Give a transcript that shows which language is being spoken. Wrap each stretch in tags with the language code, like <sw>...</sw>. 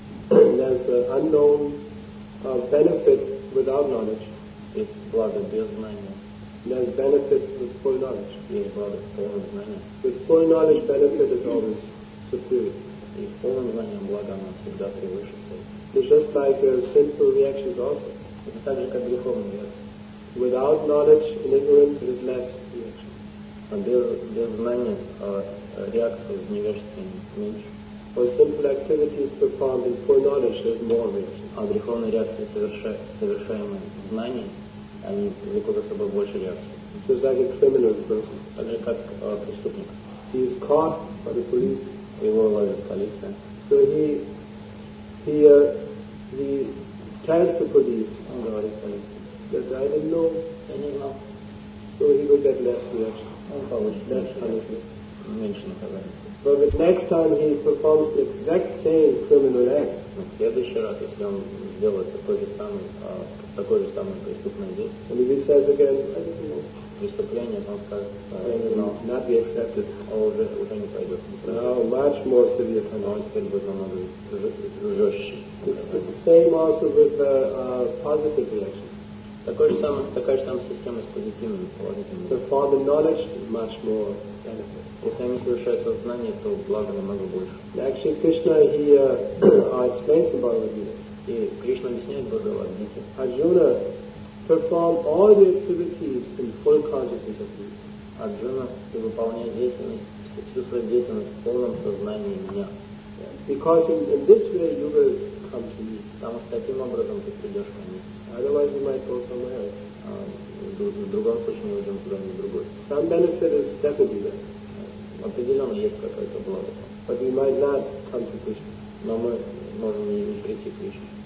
<en>And there's unknown benefit without knowledge.</en> <ru>Есть благо без знания.</ru> <en>does benefit with full knowledge.</en> <ru>Есть благо полное знание.</ru> <en>With full knowledge, benefit is always superior.</en> <ru>И с полным знанием благо оно всегда превыше всего.</ru> <en>It's just like a sinful reaction is also.</en> <ru>Это так же, как греховная реакция.</ru> <en>Without knowledge, in ignorance, it is less reaction.</en> <ru>А без знания реакция в невежестве меньше.</ru> <en>Or simple activities performed in full knowledge, there's more reaction.</en> <ru>А греховные реакции, совершаемые в знании, они влекут за собой больше реакции.</ru> <en>Just like a criminal person.</en> <ru>Так же, как преступник.</ru> <en>He is caught by the police.</en> <ru>Его ловит полиция.</ru> <en>So he tells the police.</en> <ru>Он говорит полиции.</ru> <en>That I didn't know.</en> <ru>Я не знал.</ru> <en>So he will get less reaction.</en> <ru>Он получит</ru> <en>less punishment.</en> <ru>Меньше наказания.</ru> <en>But the next time he performs the exact same criminal act.</en> <ru>В следующий раз, если он сделает такой же самый преступный действие.</ru> <en>And if he says again, I didn't know.</en> <ru>Преступление, он скажет,</ru> <en>I didn't know. Not be accepted.</en> <ru>Он уже не пойдет.</ru> <en>Now much more severe punishment.</en> <ru>Теперь будет намного жестче.</ru> <en>It's the same also with the positive reaction.</en> <ru>Такая же самая система с позитивными положительными.</ru> <en>For the knowledge much more benefit.</en> <ru>Если они совершают сознание, то благо намного больше.</ru> <en>Actually, Krishna he explains about the Bhagavad Gita.</en> <ru>И Кришна объясняет Бхагавад Гите.</ru> <en>Arjuna performed all the activities in full consciousness of Me.</en> <ru>Арджуна выполняет деятельность, всю свою деятельность в полном сознании меня.</ru> <en>Because in this way you will come to me.</en> <ru>Потому что таким образом ты придешь ко мне.</ru> <en>Otherwise you might go somewhere else.</en> <ru>В другом случае мы уйдем куда-нибудь другой.</ru> <en>Some benefit is definitely there.</en> <ru>Определенно есть какое-то благо.</ru> <en>But we might not come to Krishna.</en> <ru>Но мы можем не прийти к Кришне.</ru>